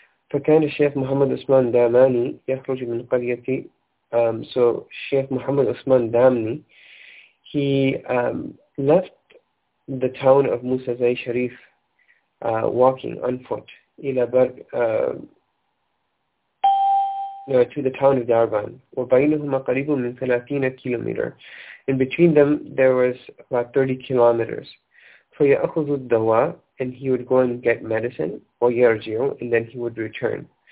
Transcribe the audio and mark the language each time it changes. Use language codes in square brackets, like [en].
[ar] فكان الشيخ محمد عثمان داماني يخرج من قريتي [en] so الشيخ محمد عثمان Damani he left the town of Musa Zai Sharif walking on foot [ar] إلى برد [en] to the town of Darban. [ar] وبينهما قريب من 30 كيلومتر. [en] In between them, there was about 30 kilometers. [ar] فيأخذ الدواء, [en] and he would go and get medicine, or [ar] يرجع, [en] and then he would return.